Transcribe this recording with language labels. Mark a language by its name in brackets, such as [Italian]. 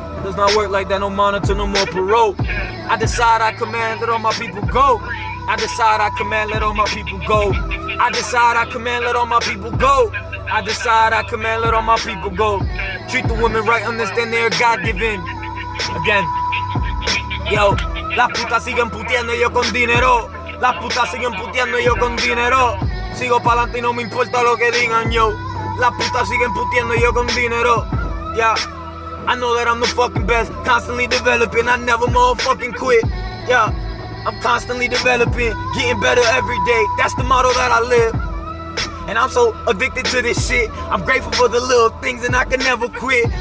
[English] It does not work like that, no monitor, no more parole. I decide, I command that all my people go. I decide, I command, let all my people go. I decide, I command, let all my people go. I decide, I command, let all my people go. Treat the women right, understand they're God-given. Again. Yo. [Spanish] Las putas siguen puteando yo con dinero. Las putas siguen puteando yo con dinero. Sigo pa'lante y no me importa lo que digan, yo. Las putas siguen puteando yo con dinero. [English] Yeah. I know that I'm the fucking best. Constantly developing, I never motherfucking quit. Yeah. I'm constantly developing, getting better every day. That's the motto that I live. And I'm so addicted to this shit. I'm grateful for the little things and I can never quit.